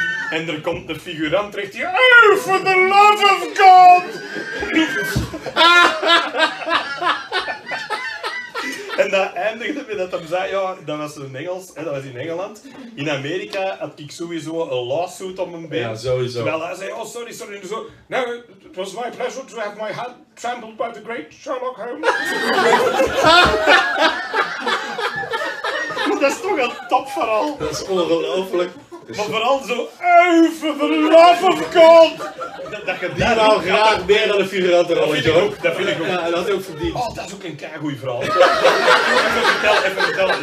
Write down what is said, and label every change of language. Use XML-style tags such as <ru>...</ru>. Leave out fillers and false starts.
<nl>En er komt de figurant terecht die,</nl> <en>oh, for the love of God!</en> <nl>En dat eindigde met dat hij zei, ja, dat was in Engels, hè, dat was in Engeland. In Amerika had ik sowieso een lawsuit op mijn been. Ja, sowieso. Terwijl hij zei,</nl> <en>oh, sorry. So, now, it was my pleasure to have my hand trampled by the great Sherlock Holmes.</en> <nl>Dat is toch een top verhaal. Dat is ongelooflijk. Maar vooral zo, even</nl> <en>for the love of God!</en> <nl>Die wou graag meer dan een figurantenrolletje ook. Dat vind ik ook. Ja, dat had hij ook verdiend. Oh, dat is ook een keigoed verhaal. Even vertellen.</nl>